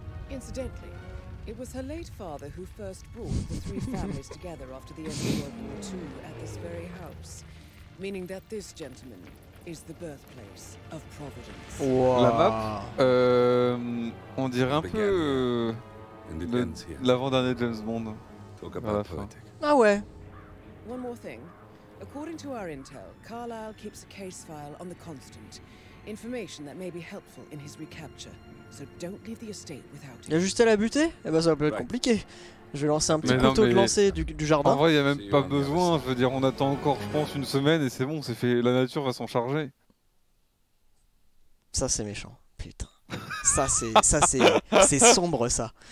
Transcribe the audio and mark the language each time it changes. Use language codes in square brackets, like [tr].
[en] Incidentally, it was her late father who first brought the three families together after the end of World War II at this very house. Meaning that this gentleman is the birthplace of Providence. Wow. [fr] La map, on dirait un peu l'avant-dernier de James Bond. [en] Talk about poetic. [fr] Ah ouais. [en] One more thing. According to our intel, Carlyle keeps a case file on the Constant. Information that may be helpful in his recapture. So don't leave the estate without [fr] it. Y a juste à la buter ? Eh ben ça va peut être compliqué. Je vais lancer un petit couteau de lancer du jardin. En vrai, y a même pas besoin. Je veux dire, on attend encore, je pense, une semaine et c'est bon, c'est fait. La nature va s'en charger. Ça c'est méchant. Putain. Ça c'est c'est sombre ça.